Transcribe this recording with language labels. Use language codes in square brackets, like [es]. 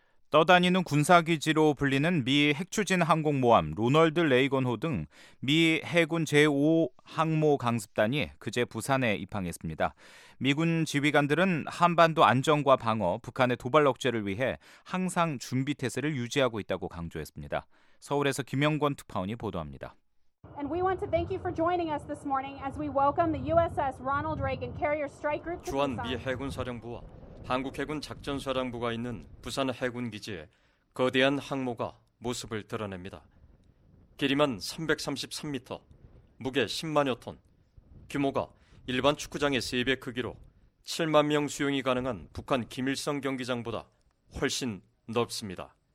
[ko] 떠다니는 군사기지로 불리는 미 핵추진 항공모함 로널드 레이건호 등 미 해군 제5 항모 강습단이 그제 부산에 입항했습니다. 미군 지휘관들은 한반도 안정과 방어, 북한의 도발 억제를 위해 항상 준비태세를 유지하고 있다고 강조했습니다. 서울에서 김영권 특파원이 보도합니다. [en] And we want to thank you for joining us this morning as we welcome the USS Ronald Reagan Carrier Strike Group. [ko] 주한 미 해군 사령부와 한국 해군 작전 사령부가 있는 부산 해군 기지에 거대한 항모가 모습을 드러냅니다. 길이만 333m, 무게 10만여 톤, 규모가 일반 축구장의 3배 크기로 7만 명 수용이 가능한 북한 김일성 경기장보다 훨씬 넓습니다.